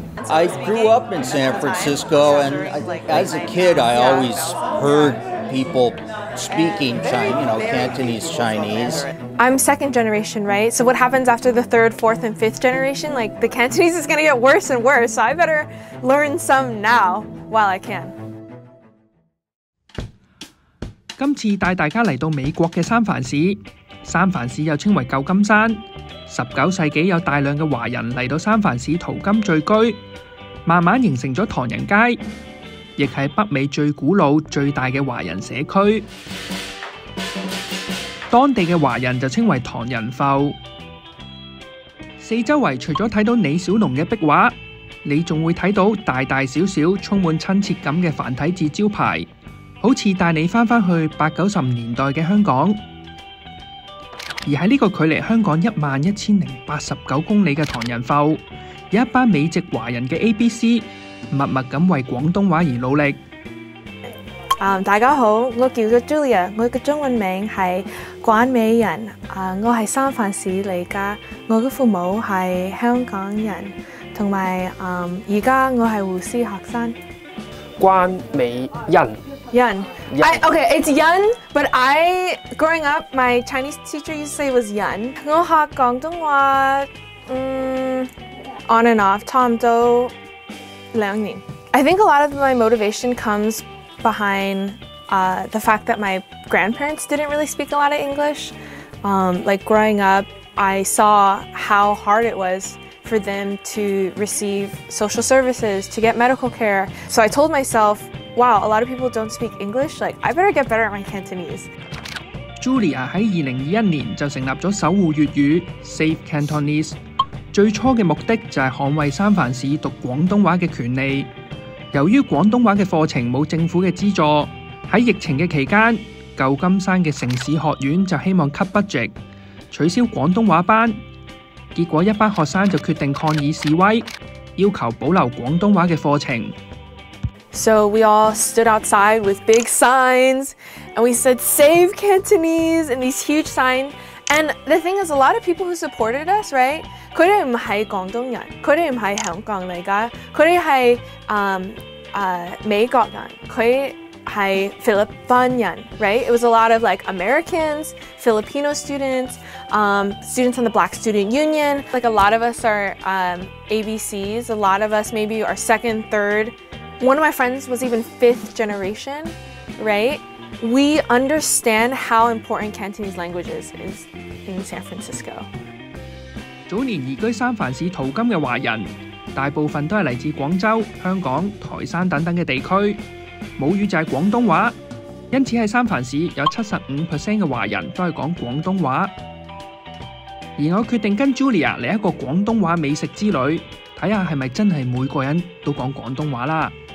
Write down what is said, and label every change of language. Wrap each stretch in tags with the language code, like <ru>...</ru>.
<en>I grew up in San Francisco, and as a kid, I always heard people speaking Chinese, you know, Cantonese Chinese. I'm second generation, right? So what happens after the third, fourth, and fifth generation? Like, the Cantonese is going to get worse and worse, so I better learn some now while I can.</en> <zh>今次带大家来到美国的三藩市，三藩市又称为旧金山。 19世纪有大量的华人来到三藩市淘金聚居，慢慢形成了唐人街，亦是北美最古老最大的华人社区。当地的华人就称为唐人埠。四周围除了看到李小龙的壁画，你还会看到大大小小充满亲切感的繁体字招牌，好似带你翻翻去80-90年代的香港。而在这个距离香港11,089公里的唐人埠，有一班美籍华人的 ABC 默默地为广东话而努力。大家好，我叫 Julia， 我的中文名是关美人，我是三藩市来的，我的父母是香港人，还有现在我是护士学生。关美人</zh> <en>Yun. Yun. Okay, it's Yun, but I, growing up, my Chinese teacher used to say it was Yun. I speak Cantonese, on and off, probably 2 years. I think a lot of my motivation comes behind the fact that my grandparents didn't really speak a lot of English. Like growing up, I saw how hard it was for them to receive social services, to get medical care. So I told myself,Wow, a lot of people don't speak English. Like, I better get better at my Cantonese.</en> <zh>Julia 在2021年就成立了守护粤语 Save Cantonese. 最初的目的就是捍卫三藩市读广东话的权利。由于广东话的课程没有政府的资助，在疫情的期间，旧金山的城市学院就希望 cut budget，取消广东话班。结果一班学生就决定抗议示威，要求保留广东话的课程。</zh> <en>So we all stood outside with big signs and we said save Cantonese and these huge signs. And the thing is, a lot of people who supported us, right?</en> <zh>他們不是廣東人，他們不是香港人，他們是美國人，他們是菲律賓人， right?</zh> <en>It was a lot of like Americans, Filipino students, students on the Black Student Union. Like a lot of us are ABCs, a lot of us maybe are second, thirdOne of my friends was even fifth generation, right? We understand how important Cantonese language is in San Francisco.</en> <zh>早年移居三藩市淘金的华人，大部分都是来自广州、香港、台山等等的地区，母语就是广东话。因此在三藩市有 75% 的华人都是讲广东话。而我决定跟 Julia 来一个广东话美食之旅，看看是不是真的每个人都讲广东话啦。</zh>